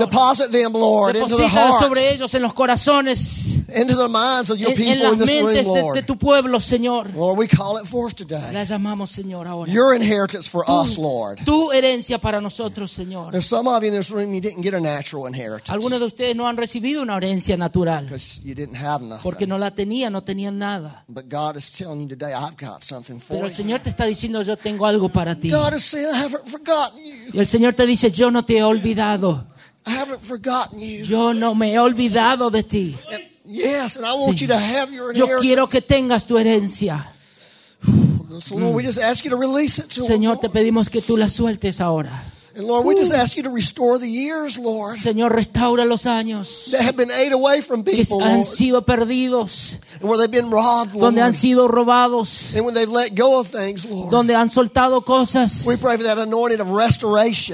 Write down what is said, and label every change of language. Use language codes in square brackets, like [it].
[en] Deposit them, Lord, [es] deposítalas [en] into the hearts. [es] Sobre ellos, en los corazones. [en] Into the minds of your people [es] en las [en] in this [es] mentes [en] room, Lord. [es] De tu pueblo, Señor. [en] Lord, we call it forth today. [es] La llamamos, Señor, ahora. [en] Your inheritance for us, Lord. [es] Tu herencia para nosotros, Señor. [en] There's some of you in this room, you didn't get a natural inheritance. [es] Algunos de ustedes no han recibido una herencia natural. [en] Because you didn't have nothing. [es] Porque no la tenía, no tenía nada. [en] But God is telling you today, I've got something for you. [es] Pero el Señor te está diciendo, yo tengo algo para ti. [en] God is saying, I haven't forgotten you. [es] Y el Señor te dice, yo no te he olvidado. [en] I haven't forgotten you. [es] Yo no me he olvidado de ti. [en] Yes, and I want you to have your inheritance. [es] Yo quiero que tengas tu herencia. [en] So Lord, we just ask you to release it to us. [es] Señor, te pedimos que tú la sueltes ahora. [en] And Lord, we just ask you to restore the years, Lord. [es] Señor, restaura los años. [en] That have been ate away from people, [es] que han sido perdidos. [en] And where they've been robbed, Lord. [es] Donde han sido robados. [en] And when they've let go of things, Lord. [es] Donde han soltado cosas. [en] We pray for that anointing of restoration.